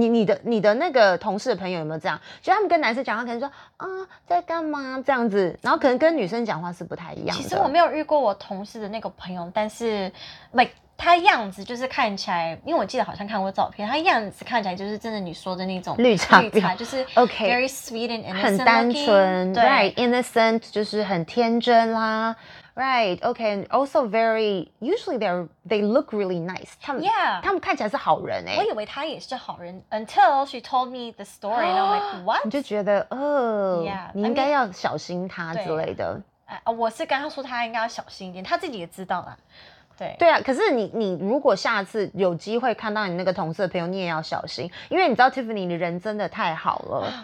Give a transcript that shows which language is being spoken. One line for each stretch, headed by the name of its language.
Chinese: 你的那个同事的朋友有没有这样？就他们跟男生讲话可能说啊、在干嘛这样子，然后可能跟女生讲话是不太一样的。其实我没有遇过我同事的那个朋友，但是 like。他样子就是看起来，因为我记得好像看过照片，他样子看起来就是真的你说的那种绿茶婊，就是
English: OK， very sweet and innocent，
Chinese: 很单纯，
English: looking, right， innocent
Chinese: 就是很天真啦，
English: right， OK， and also very usually they look really nice，
Chinese: 他们
English: yeah，
Chinese: 他们看起来是好人哎、欸，我以为他也是好人
English: ，until she told me the story， and I'm like what，
Chinese: 你就觉得哦，
English: yeah，
Chinese: 你应该要小心他之类的，我是跟他说他应该要小心一点，他自己也知道啦。对啊，可是你如果下次有机会看到你那个同事的朋友，你也要小心，因为你知道 Tiffany 你人真的太好了，